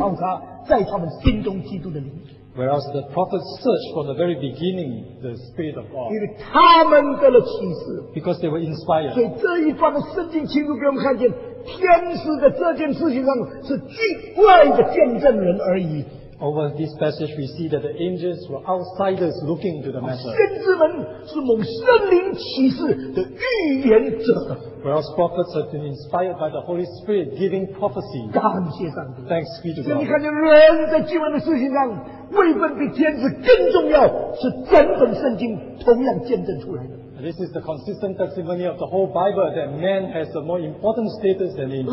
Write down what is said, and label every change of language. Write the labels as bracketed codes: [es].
[zh] 先知预先详细考察在他们心中基督的灵。 [en] Whereas the prophets searched from the very beginning the Spirit of God. [zh] 因为他们得了启示。 [en] Because they were inspired. [zh] 所以这一方的圣经清楚给我们看见, 天使的这件事情上是局外的见证人而已。 [en] Over this passage, we see that the angels were outsiders looking to the matter. [zh] 先知们是蒙圣灵启示的预言者, [en] whereas prophets have been inspired by the Holy Spirit giving prophecy. [zh] 感谢上帝, [en] thanks be to God. [zh] 所以你看见人在经文的事情上位分比天使更重要，是整本圣经同样见证出来的。 [en] This is the consistent testimony of the whole Bible that man has a more important status than angels.